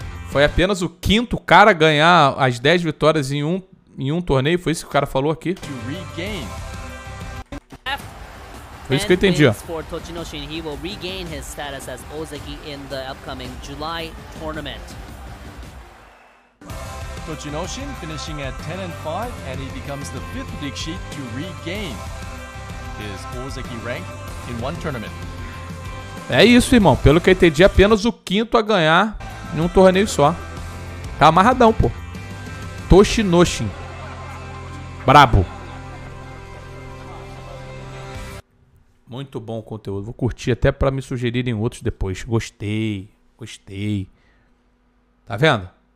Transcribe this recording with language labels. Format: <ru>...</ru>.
<pt>Foi apenas o quinto cara a ganhar as 10 vitórias em um torneio, foi isso que o cara falou aqui.</pt> <en>To regain.</en> <pt>É isso que eu entendi.</pt> <en>For Tochinoshin, he will regain his status as Ozeki in the upcoming July tournament. Tochinoshin finishing at 10-5 and he becomes the fifth Dixi to regain his Ozeki rank in one tournament.</en> <pt>É isso, irmão. Pelo que eu entendi, apenas o quinto a ganhar em um torneio só. Tá amarradão, pô. Tochinoshin. Brabo. Muito bom o conteúdo. Vou curtir até para me sugerirem outros depois. Gostei. Gostei. Tá vendo?</pt>